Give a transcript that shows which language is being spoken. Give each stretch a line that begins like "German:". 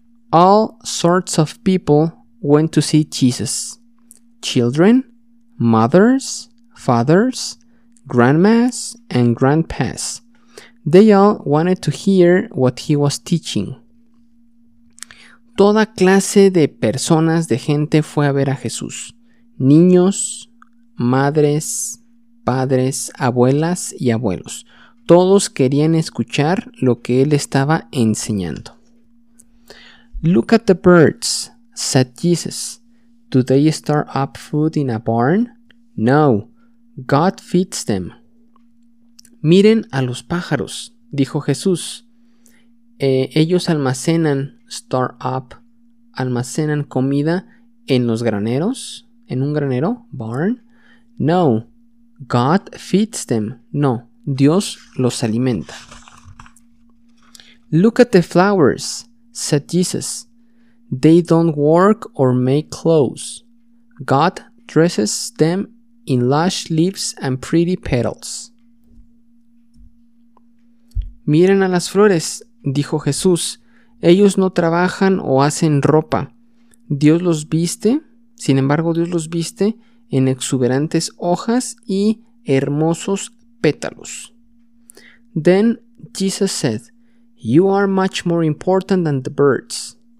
English: All sorts of people went to see Jesus. Children, mothers, fathers, grandmas, and grandpas. They all wanted to hear what he was teaching.
Spanish: Toda clase de personas, de gente, fue a ver a Jesús. Niños, madres, padres, abuelas y abuelos. Todos querían escuchar lo que él estaba enseñando.
English: Look at the birds, said Jesus. Do they store up food in a barn? No, God feeds them.
Spanish: Miren a los pájaros, dijo Jesús. Ellos almacenan, store up, almacenan comida en los graneros, en un granero, barn.
English: No, God feeds them.
Spanish: No, Dios los alimenta.
English: Look at the flowers, said Jesus. They don't work or make clothes. God dresses them in lush leaves and pretty petals.
Spanish: Miren a las flores, dijo Jesús. Ellos no trabajan o hacen ropa. Dios los viste, sin embargo, Dios los viste en exuberantes hojas y hermosos pétalos.
English: Then Jesus said, You are much more important than the birds.